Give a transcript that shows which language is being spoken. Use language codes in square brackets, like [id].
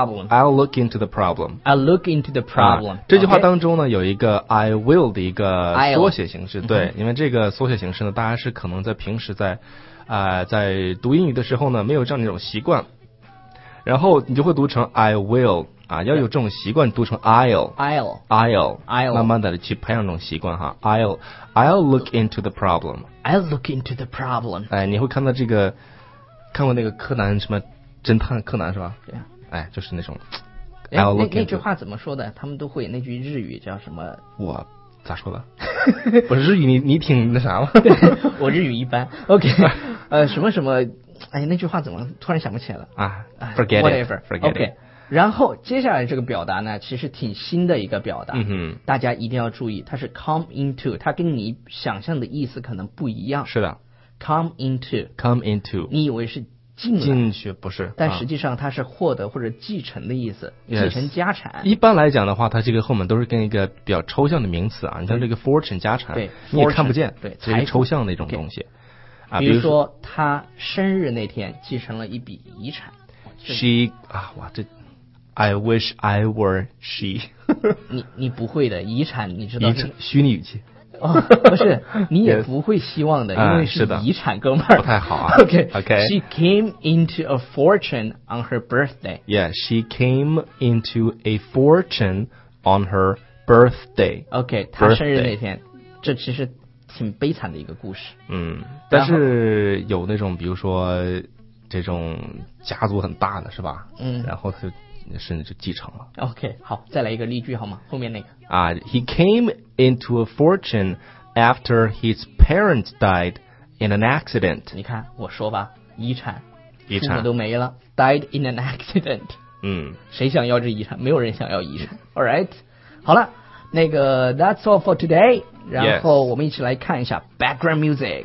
[en] I'll look into the problem、 [zh] 这句话当中呢、 [en] okay. [zh] 有一个 I will 的一个缩写形式，对，因为这个缩写形式呢，大家是可能在平时在读英语的时候呢没有这样的一种习惯，然后你就会读成 I will要有这种习惯，读成 I'll 慢慢的去培养这种习惯哈。 [en] I'll look into the problem， I'll look into the problem。 [zh] 你会看到这个，看过那个柯南，什么侦探柯南是吧？对、就是那种那句话怎么说的，他们都会那句日语叫什么，我咋说的，我日语你挺那啥吗？我日语一般。 OK 什么什么，那句话怎么突然想不起来了 [en] forget whatever forget OK it. [zh] 然后接下来这个表达呢，其实挺新的一个表达，嗯，大家一定要注意，它是 come into， 它跟你想象的意思可能不一样。是的， [en] come into， come into， [zh] 你以为是进来，进去，不是，但实际上它是获得或者继承的意思，啊，继承家产。一般来讲的话，它这个后面都是跟一个比较抽象的名词啊，你像这个 fortune 家产，对，你也看不见，对，这是抽象的一种东西。 [en] Okay. [zh] 啊，比如说他生日那天继承了一笔遗产。 [en] She 啊，哇这。I wish I were she [zh] 你不会的遗产你知道是虚拟语气，哦，不是你也不会希望的，因为是遗产哥们儿不太好啊。 [en] Okay. She came into a fortune on her birthday. Yeah, she came into a fortune on her birthday. [zh] OK, 她生日那天， [en] birthday， [zh] 这其实挺悲惨的一个故事。嗯，但是有那种比如说这种家族很大的是吧，嗯，然后他就甚至就继承了。 OK 好，再来一个例句好吗，后面那个 [en] 啊，He came into a fortune after his parents died in an accident. [zh] 你看我说吧，遗产父母都没了， [en] died in an accident。 [zh] 嗯，谁想要这遗产，没有人想要遗产。Alright 好了，那个 [en] That's all for today， [zh] 然后我们一起来看一下 background music。